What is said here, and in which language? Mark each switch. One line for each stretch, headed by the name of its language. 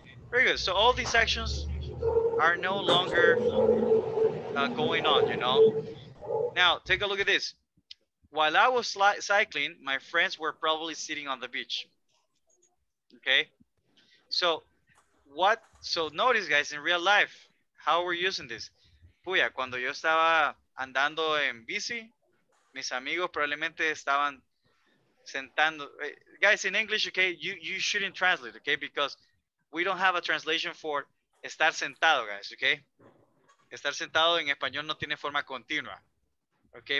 English: Very good, so all these actions are no longer going on, you know. Now, take a look at this. While I was cycling, my friends were probably sitting on the beach, okay? So notice, guys, in real life, how we're using this.
Spanish: Puya, cuando yo estaba andando en bici, mis amigos probablemente estaban sentando.
English: Guys, in English, okay, you shouldn't translate, okay? Because we don't have a translation for
Spanish: estar sentado,
English: guys, okay?
Spanish: Estar sentado en español no tiene forma continua, okay?